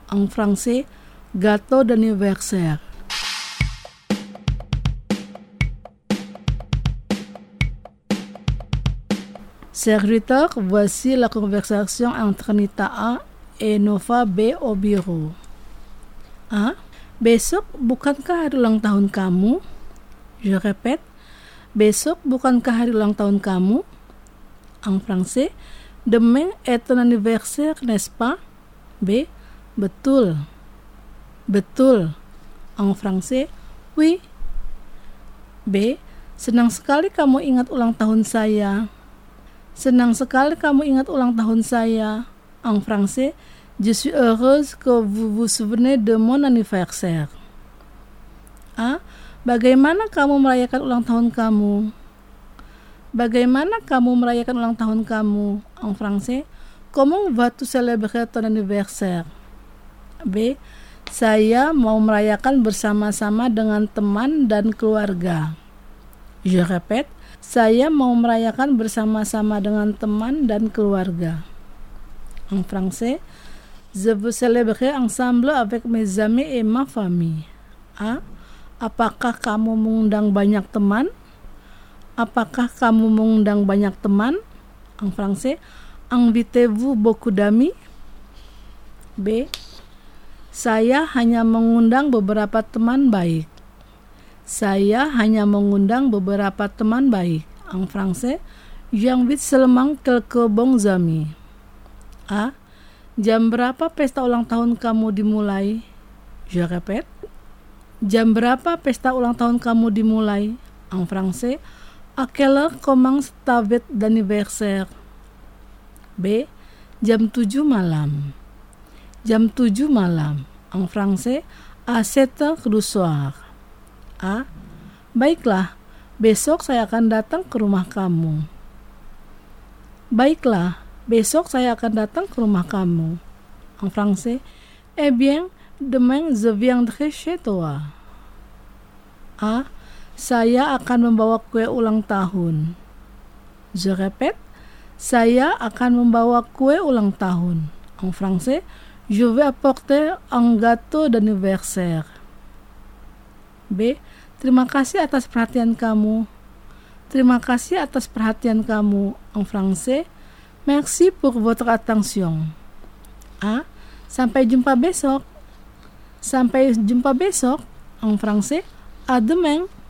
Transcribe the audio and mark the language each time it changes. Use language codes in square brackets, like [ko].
[fr] En français, gâteau d'anniversaire. Serviteur, voici la conversation entre Nita A et Nova B au bureau. A. [id] Besok bukankah hari ulang tahun kamu? [fr] Je répète. [id] Besok bukankah hari ulang tahun kamu? [fr] En français, demain est ton anniversaire, n'est-ce pas? [id] B. Betul. Betul. [fr] En français, oui. B. [id] Senang sekali kamu ingat ulang tahun saya. Senang sekali kamu ingat ulang tahun saya. [fr] En français, je suis heureuse que vous vous souvenez de mon anniversaire. A. [id] Bagaimana kamu merayakan ulang tahun kamu? Bagaimana kamu merayakan ulang tahun kamu? [fr] En français, comment vas-tu célébrer ton anniversaire? B. [id] Saya mau merayakan bersama-sama dengan teman dan keluarga. [fr] Je répète. [id] Saya mau merayakan bersama-sama dengan teman dan keluarga. [fr] En français, je veux célébrer ensemble avec mes amis et ma famille. A. [id] Apakah kamu mengundang banyak teman? Apakah kamu mengundang banyak teman? [fr] En français, invitez-vous beaucoup d'amis? B. [id] Saya hanya mengundang beberapa teman baik. Saya hanya mengundang beberapa teman baik. [fr] En français, j'invite seulement quelques bons amis. A. [id] Jam berapa pesta ulang tahun kamu dimulai? [fr] Je répète. [id] Jam berapa pesta ulang tahun kamu dimulai? [fr] En français, à quelle heure commence ta fête d'anniversaire? B. [id] Jam 7 malam. Jam 7 malam. [fr] En français, à 7 heures du soir. A. [id] Baiklah, besok saya akan datang ke rumah kamu. Baiklah, besok saya akan datang ke rumah kamu. [fr] En français, eh bien, demain je viendrai chez toi. [id] A. Saya akan membawa kue ulang tahun. [fr] Je répète. [id] Saya akan membawa kue ulang tahun. [fr] En français, je vais apporter un gâteau d'anniversaire. B. [id] Terima kasih atas perhatian kamu. Terima kasih atas perhatian kamu [fr] en français. Merci pour votre attention. Ah, [id] sampai jumpa besok. Sampai jumpa besok [fr] en français. À demain.